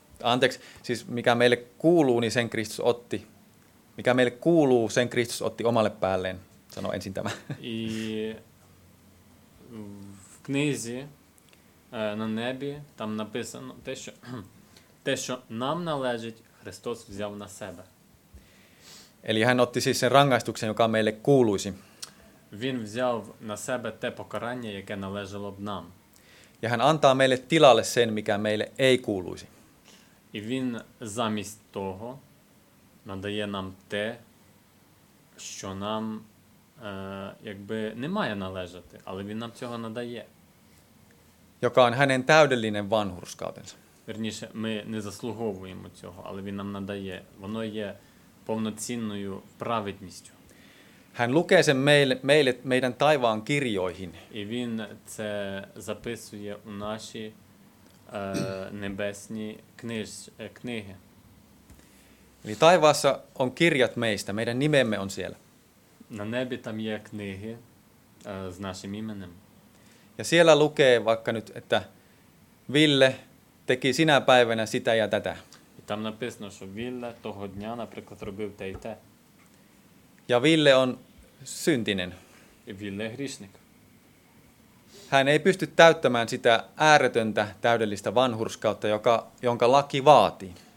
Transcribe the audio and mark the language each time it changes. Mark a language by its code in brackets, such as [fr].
[fi] Anteeksi, siis mikä meille kuuluu, niin sen Kristus otti. Mikä meille kuuluu, sen Kristus otti omalle päälleen. Sano ensin tämä. [uk] I в книзі на небі там написано те, що нам належить. Христос взяв на себе. [fi] Eli hän otti siis sen rangaistuksen, joka meille kuuluisi. [uk] Він взяв на себе те покарання, яке належало б нам. [fi] Ja hän antaa meille tilalle sen, mikä meille ei kuuluisi. [uk] І він замість того надає нам те, що нам якби не має належати, але він нам цього надає. [fi] Joka on hänen täydellinen vanhurskautensa. [uk] Верніше, ми не заслуговуємо цього, але він нам надає. Воно є повноцінною праведністю. [fi] Hän lukee sen meille meidän taivaan kirjoihin. [uk] І він це записує у наші небесні книги. [fi] Eli taivaassa on kirjat meistä, meidän nimemme on siellä. [uk] На небі там є книги з нашим іменем. [fi] Ja siellä lukee vaikka nyt, että Ville teki sinä päivänä sitä ja tätä. [uk] Там написано, що Вілле того дня, наприклад, робив те і те. [fi] Ja Ville on syntinen. [uk] І Ville грішник. [fi] Hän ei pysty täyttämään sitä ääretöntä täydellistä vanhurskautta, jonka laki vaatii.